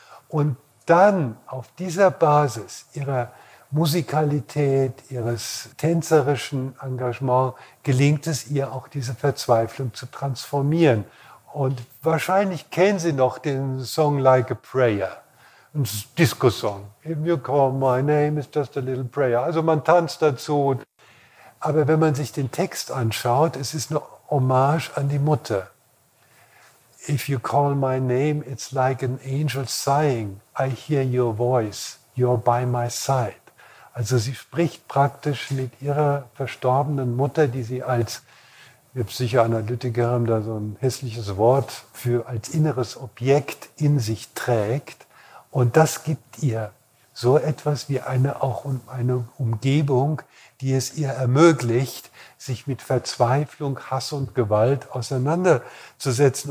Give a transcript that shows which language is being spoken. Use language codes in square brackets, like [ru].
[de] Und dann auf dieser Basis ihrer Musikalität, ihres tänzerischen Engagements gelingt es ihr auch, diese Verzweiflung zu transformieren. Und wahrscheinlich kennen Sie noch den Song Like a Prayer, ein Disco-Song. [en] If you call my name, it's just a little prayer. [de] Also man tanzt dazu. Aber wenn man sich den Text anschaut, es ist eine Hommage an die Mutter. [en] If you call my name, it's like an angel sighing. I hear your voice, you're by my side. [de] Also sie spricht praktisch mit ihrer verstorbenen Mutter, die sie als, wir Psychoanalytiker haben da so ein hässliches Wort, für als inneres Objekt in sich trägt. Und das gibt ihr so etwas wie eine Umgebung, die es ihr ermöglicht, sich mit Verzweiflung, Hass und Gewalt auseinanderzusetzen.